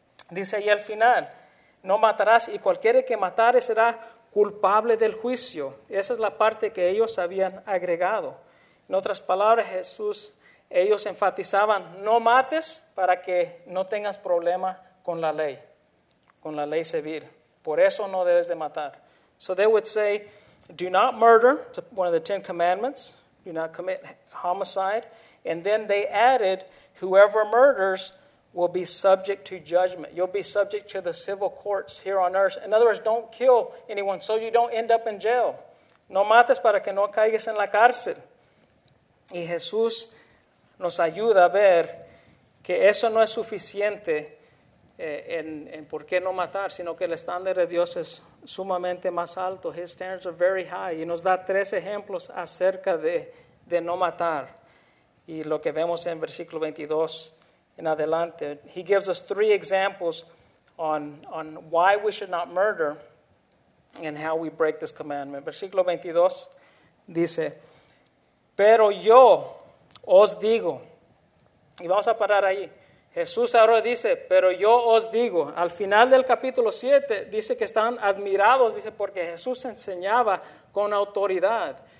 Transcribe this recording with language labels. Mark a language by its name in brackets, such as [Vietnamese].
[Spanish] Dice ahí al final, no matarás, y cualquiera que matare será culpable del juicio. Esa es la parte que ellos habían agregado. En otras palabras, Jesús, ellos enfatizaban, no mates para que no tengas problema con la ley civil. Por eso no debes de matar. [English] So they would say, do not murder, it's one of the Ten Commandments. Do not commit homicide. And then they added, whoever murders will be subject to judgment. You'll be subject to the civil courts here on earth. In other words, don't kill anyone so you don't end up in jail. [Spanish] No mates para que no caigas en la cárcel. Y Jesús nos ayuda a ver que eso no es suficiente en por qué no matar, sino que el estándar de Dios es sumamente más alto. [English] His standards are very high. [Spanish] Y nos da tres ejemplos acerca de no matar. Y lo que vemos en versículo 22 en adelante. [English] He gives us three examples on why we should not murder and how we break this commandment. [Spanish] Versículo 22 dice, pero yo os digo, y vamos a parar ahí. Jesús ahora dice, pero yo os digo, al final del capítulo 7 dice que están admirados, dice, porque Jesús enseñaba con autoridad.